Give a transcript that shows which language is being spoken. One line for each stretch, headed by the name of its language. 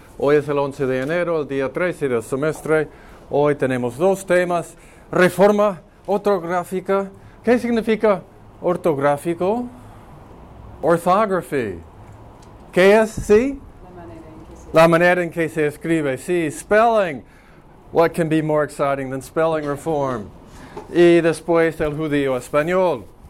Spanish: Hoy es el 11 de enero, el día 13 del semestre. Hoy tenemos dos temas: reforma ortográfica. ¿Qué significa ortográfico? Orthography. ¿Qué es? Sí. La manera en que se escribe. Sí. Spelling.
English: What can be more exciting than spelling reform?
Spanish: Y después el judío español.